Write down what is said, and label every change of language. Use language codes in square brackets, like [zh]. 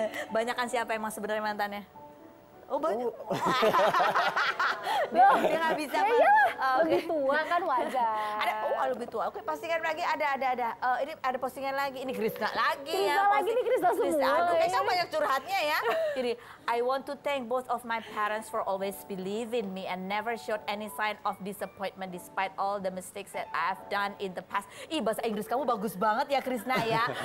[id] Banyakan siapa emang sebenarnya mantannya? Oh banyak. Oh. Dia gak bisa. Ya lebih tua kan wajar. Ada, lebih tua. Oke, postingan lagi ada. Ini ada postingan lagi. Ini Krisna lagi Krisna ya. Krisna lagi nih, Krisna semua. Aduh, kayaknya banyak curhatnya ya. [en] Jadi, I want to thank both of my parents for always believing me and never showed any sign of disappointment despite all the mistakes that I've done in the past. [id] Ih, bahasa Inggris kamu bagus banget ya, Krisna ya.